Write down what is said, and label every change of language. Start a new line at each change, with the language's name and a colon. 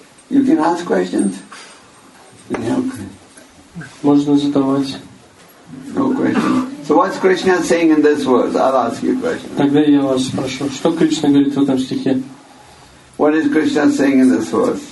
English: You can ask questions. Yeah, okay.
Russian: Можно задавать.
English: No question. So what's Krishna saying in this verse? I'll ask you a question.
Russian: Тогда я вас спрошу, что Кришна говорит в этом стихе?
English: What is Krishna saying in this verse?